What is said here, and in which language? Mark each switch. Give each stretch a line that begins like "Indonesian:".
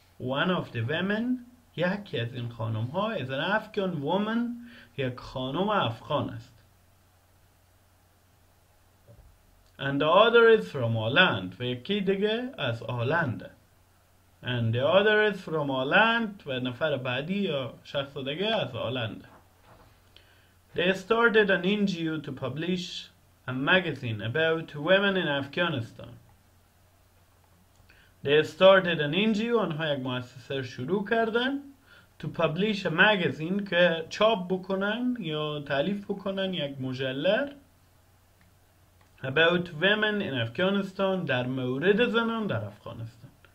English: One of the women,
Persian: یکی از این خانم ها,
English: is an Afghan woman,
Persian: یک خانم افغان است.
English: And the other is from Holland,
Persian: و یکی دیگه از هلند.
English: And the other is from Holland,
Persian: و نفر بعدی یا شخص دیگه از هلند.
English: They started an NGO to publish a magazine about women in Afghanistan. They started an NGO,
Persian: آنها یک مؤسسه شروع کردن,
English: to publish a magazine,
Persian: که چاپ بکنن یا تألیف بکنن یک مجله,
English: about women in Afghanistan,
Persian: در مورد زنان در افغانستان.